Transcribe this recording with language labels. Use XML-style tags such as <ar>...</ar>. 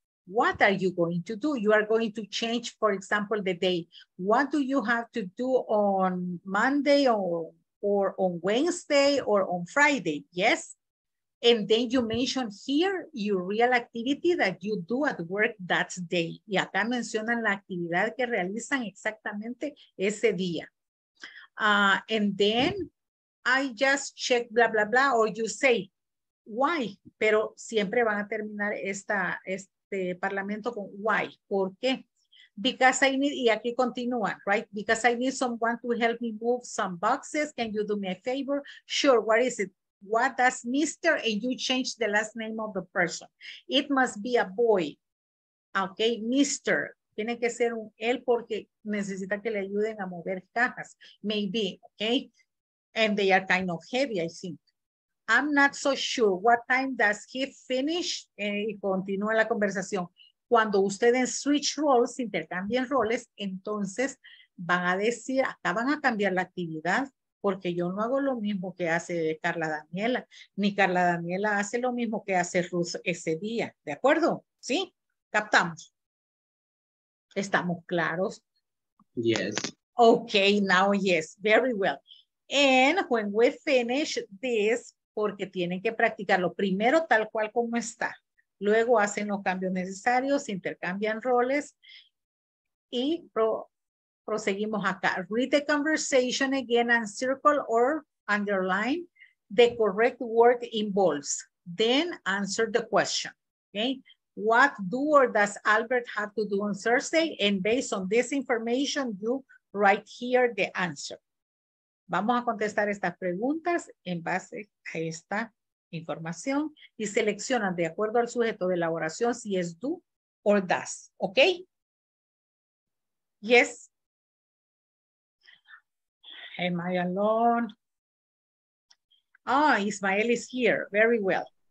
<en>What are you going to do? You are going to change, for example, the day. What do you have to do on Monday or on Wednesday or on Friday? Yes. And then you mention here your real activity that you do at work that day.</en> <es>Y acá mencionan la actividad que realizan exactamente ese día.</es> <en>And then I just check blah, blah, blah, or you say why,</en> <es>pero siempre van a terminar este parlamento con why, ¿por qué?</es> <en>Because I need,</en> <es>y aquí continúa,</es> <en>right? Because I need someone to help me move some boxes. Can you do me a favor? Sure, what is it? What does Mr. and you change the last name of the person? It must be a boy. Okay, Mr.</en> <es>Tiene que ser un él porque necesita que le ayuden a mover cajas.</es> <en>Maybe, okay? And they are kind of heavy, I think. I'm not so sure. What time does he finish?</en> <es>Y continúa la conversación. Cuando ustedes</es> <en>switch roles,</en> <es>intercambien roles, entonces van a decir, acá van a cambiar la actividad. porque yo no hago lo mismo que hace Carla Daniela, ni Carla Daniela hace lo mismo que hace Ruth ese día. ¿De acuerdo? ¿Sí? ¿Captamos? ¿Estamos claros?</es> <en>Yes. Okay, now yes. Very well. And when we finish this,</en> <es>porque tienen que practicarlo primero tal cual como está. Luego hacen los cambios necesarios, intercambian roles y proseguimos acá.</es> <en>Read the conversation again and circle or underline the correct word involves. Then answer the question. Okay. What do or does Albert have to do on Thursday? And based on this information, you write here the answer.</en> <es>Vamos a contestar estas preguntas en base a esta información y seleccionan de acuerdo al sujeto de la oración si es</es> <en>do or does. ¿Ok? Yes. Am I alone? Ah, Ismael is here. Very well.</en>